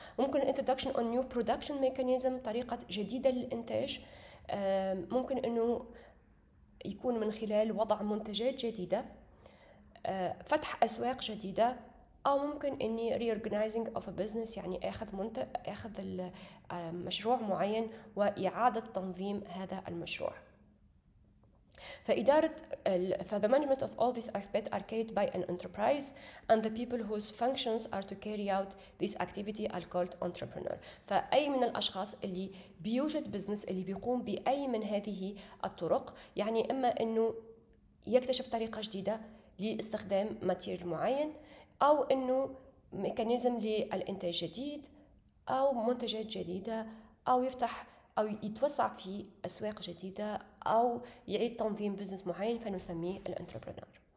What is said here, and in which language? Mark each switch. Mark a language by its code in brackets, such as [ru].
[ar] ممكن [en] introduction of new production mechanism، [ar] طريقة جديدة للإنتاج، ممكن إنه يكون من خلال وضع منتجات جديدة، فتح أسواق جديدة، أو ممكن إني [en] reorganizing of a business [ar] يعني أخذ مشروع معين وإعادة تنظيم هذا المشروع. فإدارة [en] the management of all these aspects are carried by an enterprise and the people whose functions are to carry out this activity are called entrepreneur. [ar] فأي من الأشخاص اللي بيوجد بزنس اللي بيقوم بأي من هذه الطرق، يعني إما إنه يكتشف طريقة جديدة لاستخدام ماتيريال معين، أو إنه ميكانيزم للإنتاج جديد أو منتجات جديدة، أو يفتح أو يتوسع في أسواق جديدة أو يعيد تنظيم بزنس معين، فنسميه الانتربرنور.